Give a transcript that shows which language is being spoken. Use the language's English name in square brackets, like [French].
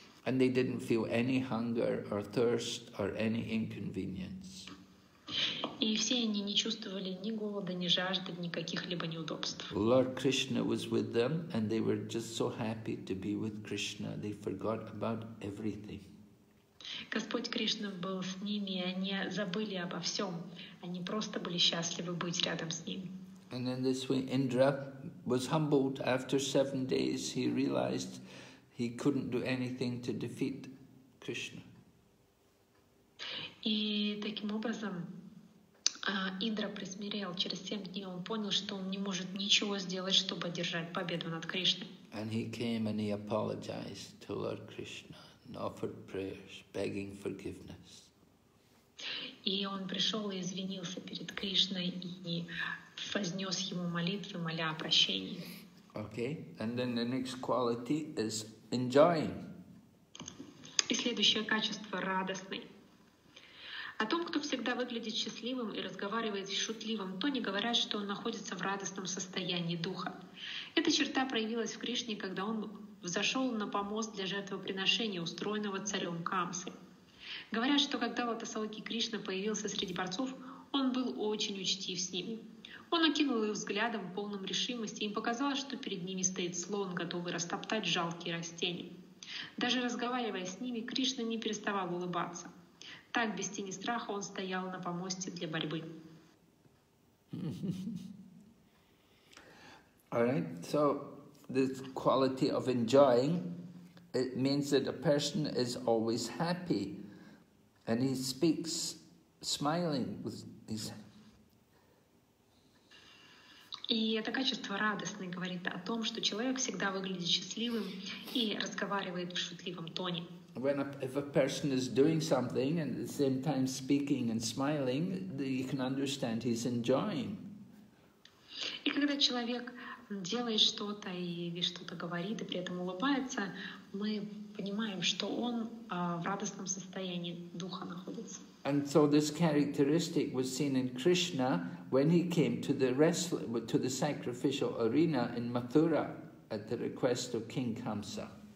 [English] And they didn't feel any hunger or thirst or any inconvenience. [Russian] И все они не чувствовали ни голода, ни жажды, ни каких-либо неудобств. [English] Lord Krishna was with them, and they were just so happy to be with Krishna. They forgot about everything. [Russian] Господь Кришна был с ними, и они забыли обо всем. Они просто были счастливы быть рядом с ним. [English] And in this way, Indra was humbled. After 7 days, he realized he couldn't do anything to defeat Krishna. [Russian] И таким образом Индра присмирел. Через 7 дней он понял, что он не может ничего сделать, чтобы одержать победу над Кришной. [English] And he came and he apologized to Lord Krishna and offered prayers, begging forgiveness. [Russian] И он пришел и извинился перед Кришной и вознес ему молитвы, моля о прощении. [English] Okay, and then the next quality is enjoying. [Russian] И следующее качество – радостный. О том, кто всегда выглядит счастливым и разговаривает шутливым, то не говорят, что он находится в радостном состоянии духа. Эта черта проявилась в Кришне, когда он взошел на помост для жертвоприношения, устроенного царем Камсы. Говорят, что когда лотосовый Кришна появился среди борцов, он был очень учтив с ними. Он окинул их взглядом, полным решимости, и им показалось, что перед ними стоит слон, готовый растоптать жалкие растения. Даже разговаривая с ними, Кришна не переставал улыбаться. Так, без тени страха, он стоял на помосте для борьбы. [English] All right, so this quality of enjoying, it means that a person is always happy and he speaks smiling with his. [Russian] И это качество радостное говорит о том, что человек всегда выглядит счастливым и разговаривает в шутливом тоне. [English] When if a person is doing something and at the same time speaking and smiling, you can understand he's enjoying. [Russian] И когда человек делает что-то и что-то говорит, и при этом улыбается, мы понимаем, что он в радостном состоянии духа находится. [English] And so this characteristic was seen in Krishna when he came to the sacrificial arena in Mathura at the request of King Kamsa.